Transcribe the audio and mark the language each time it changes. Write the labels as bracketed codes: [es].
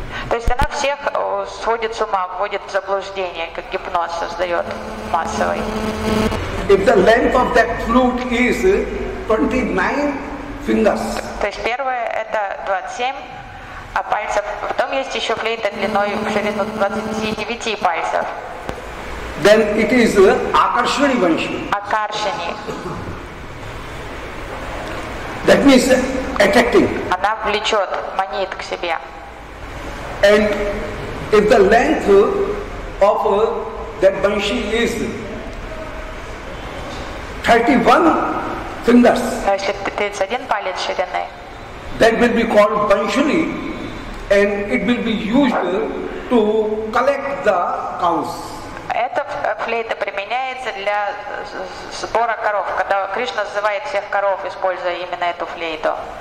[ru] То есть она всех сводит с ума, вводит в заблуждение, как гипноз создает массовый. [en] If the length of that flute is 29 fingers. [ru] То есть первое это 27. А пальцев. Потом есть еще флейта длиной в ширину 29 пальцев. [en] Then it is Akarshani Vanshi. Akarshani. That means attracting. [ru] Она влечет, манит к себе. [en] And if the length of that Vanshi is 31 fingers. [ru] То есть 31 палец ширины. [en] That will be called Vanshuni. And it will be used to collect the cows. [ru] Эта флейта применяется для сбора коров, когда Кришна называет всех коров, используя именно эту флейту.